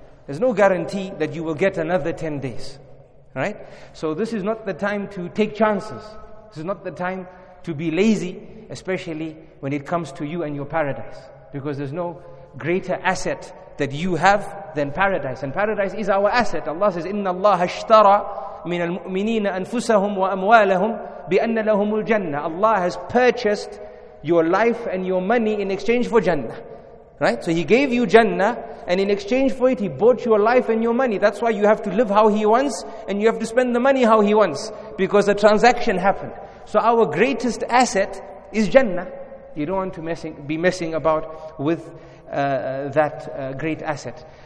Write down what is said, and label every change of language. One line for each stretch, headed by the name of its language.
English: There's no guarantee that you will get another 10 days, right? So this is not the time to take chances. This is not the time to be lazy especially when it comes to you and your paradise. Because there's no greater asset that you have than paradise. And paradise is our asset. Allah says,
Arabic: إِنَّ اللَّهَ اشْتَرَى مِنَ الْمُؤْمِنِينَ أَنفُسَهُمْ وَأَمْوَالَهُمْ بِأَنَّ لَهُمُ الْجَنَّةِ.
English: Allah has purchased your life and your money in exchange for Jannah. Right? So He gave you Jannah, and in exchange for it, He bought your life and your money. That's why you have to live how He wants, and you have to spend the money how He wants, because a transaction happened. So our greatest asset is Jannah. You don't want to be messing about with that great asset.